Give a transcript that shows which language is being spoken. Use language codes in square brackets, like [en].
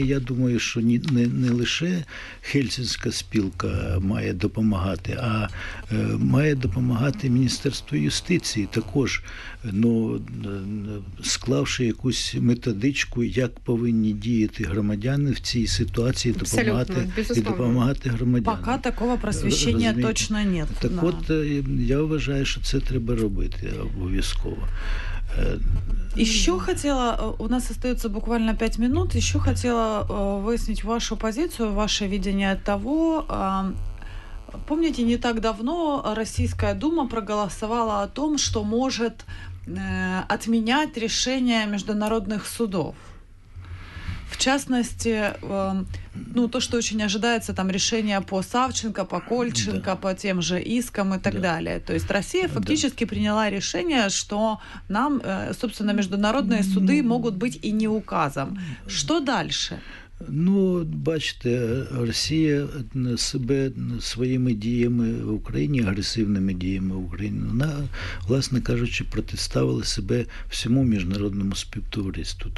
[uk] Я думаю, що не лише Хельсинська спілка має допомагати, а має допомагати Міністерство юстиції також, ну, склавши якусь методичку, як повинні діяти громадяни в цій ситуації, допомагати громадянам. Поки такого просвіщення точно немає. Так да. От, я вважаю, що це треба робити обов'язково. [ru] Еще хотела, у нас остается буквально 5 минут, еще хотела выяснить вашу позицию, ваше видение того, помните, не так давно Российская Дума проголосовала о том, что может отменять решения международных судов. В частности, ну, то, что очень ожидается, там, решение по Савченко, по Кольченко, да. по тем же искам и так да. далее. То есть Россия фактически да. приняла решение, что нам, собственно, международные суды могут быть и не указом. Что дальше? [uk] Ну, бачите, Росія себе своїми діями в Україні, агресивними діями в Україні, вона, власне кажучи, протиставила себе всьому міжнародному співтовариству.